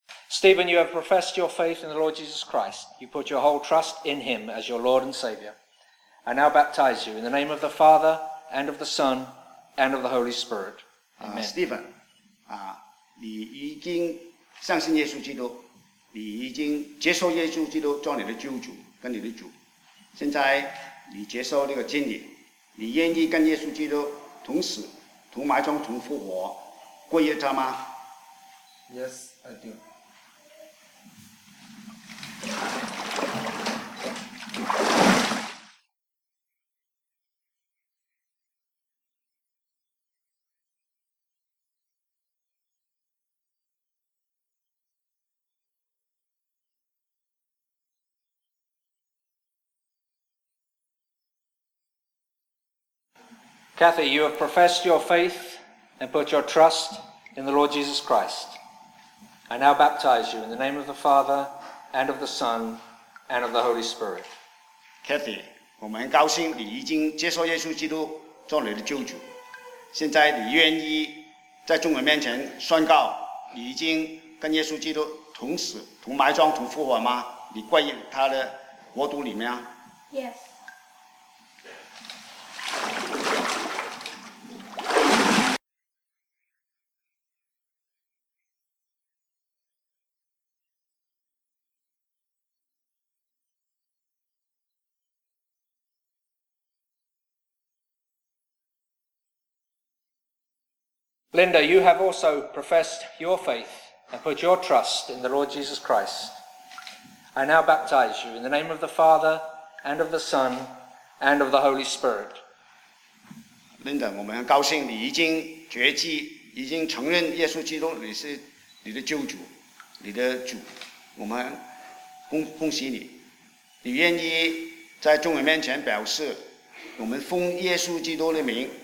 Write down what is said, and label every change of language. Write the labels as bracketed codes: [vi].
[en] Stephen, you have professed your faith in the Lord Jesus Christ. You put your whole trust in him as your Lord and Savior. I now baptize you in the name of the Father and of the Son and of the Holy Spirit. Amen. [zh] Stephen, 你已经相信耶稣基督, 你已经接受耶稣基督做你的救主跟你的主, 现在你接受这个真理, 你愿意跟耶稣基督同死, 同埋葬同复活, 皈依他吗? [en] Yes, I do. Kathy, you have professed your faith and put your trust in the Lord Jesus Christ. I now baptize you in the name of the Father, and of the Son, and of the Holy Spirit. [zh] Kathy, 我们很高兴你已经接受耶稣基督做你的救主。现在你愿意在众人面前宣告你已经跟耶稣基督同死、同埋葬、同复活吗? 你归于他的国度里面? [en] Yes. Linda, you have also professed your faith and put your trust in the Lord Jesus Christ. I now baptize you in the name of the Father, and of the Son, and of the Holy Spirit. [zh] Linda, 我们很高兴你已经承认耶稣基督你是你的救主，你的主，我们恭喜你，你愿意在众人面前表示，我们奉耶稣基督的名。